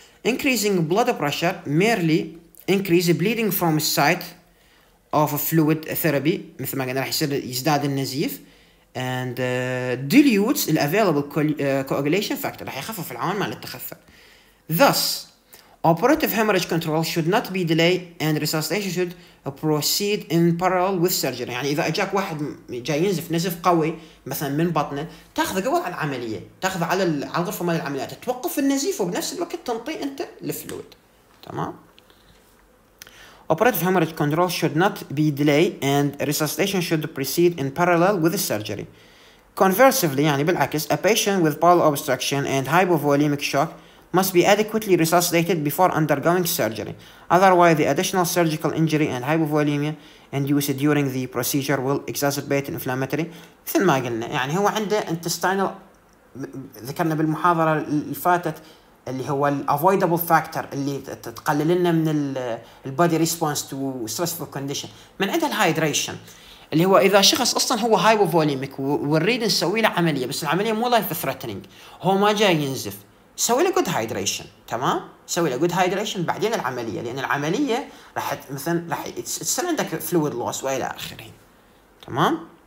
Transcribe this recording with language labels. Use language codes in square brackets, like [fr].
[en] increasing blood pressure merely increase bleeding from the site of fluid therapy [ar] مثل ما قلنا راح يصير يزداد النزيف [en] and dilutes the available coagulation factor [ar] راح يخفف العوامل مال التخثر. [en] thus operative hemorrhage control should not be delayed and resuscitation should proceed in parallel with surgery. [ar] يعني اذا اجاك واحد جاي ينزف نزف قوي مثلا من بطنه تاخذه قبل العمليه, تاخذه على الغرفه مال العمليات توقف النزيف وبنفس الوقت تنطي انت الفلويد, تمام. [en] Operative hemorrhage control should not be delayed and resuscitation should proceed in parallel with the surgery. Conversely, [ar] يعني بالعكس, [en] a patient with bowel obstruction and hypovolemic shock must be adequately resuscitated before undergoing surgery. Otherwise, the additional surgical injury and hypovolemia induced during the procedure will exacerbate inflammatory. [ar] مثل ما قلنا يعني هو عنده intestinal ذكرنا بالمحاضرة اللي فاتت اللي هو avoidable factor اللي تقلل لنا من ال [en] body response to stressful condition [ar] من عندها الhydration اللي هو إذا شخص أصلاً هو hypovolemic ونريد نسوي له عملية بس العملية مو life threatening هو ما جاي ينزف سوي له [en] good hydration [ar] تمام سوي له good hydration بعدين العملية لأن العملية راح مثلاً راح تصير عندك fluid loss وإلى آخره تمام